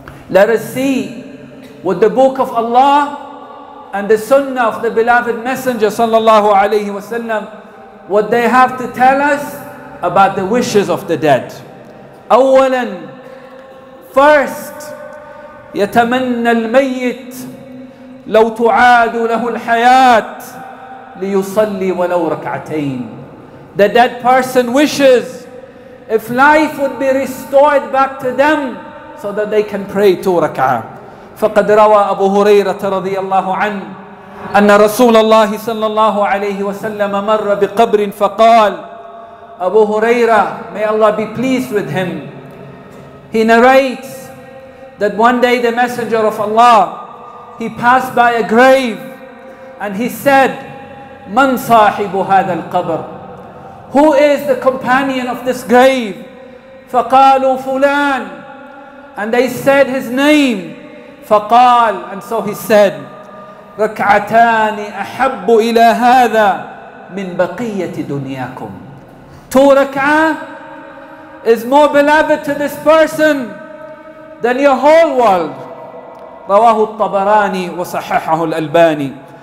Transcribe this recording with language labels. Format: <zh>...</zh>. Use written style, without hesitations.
<en>Let us see what the book of Allah and the sunnah of the beloved messenger</en> <ar>صلى الله عليه وسلم,</ar> <en>what they have to tell us about the wishes of the dead.</en> <ar>أولا,</ar> <en>first,</en> <ar>يتمنى الميت لو تعاد له الحياة ليصلي ولو ركعتين.</ar> <en>The dead person wishes if life would be restored back to them so that they can pray two rak'ah.</en> <ar>فقد روى أبو هريرة رضي الله عنه أن رسول الله صلى الله عليه وسلم مر بقبر فقال أبو هريرة,</ar> <en>may Allah be pleased with him. He narrates that one day the Messenger of Allah, he passed by a grave and he said,</en> <ar>من صاحب هذا القبر?</ar> <en>Who is the companion of this grave?</en> <ar>فقالوا فلان.</ar> <en>And they said his name.</en> <ar>فقال,</ar> <en>and so he said,</en> <ar>ركعتان أحب إلى هذا من بقية دنياكم.</ar> <en>Two rak'ah is more beloved to this person than your whole world.</en> <ar>رواه الطبراني وصححه الألباني.</ar>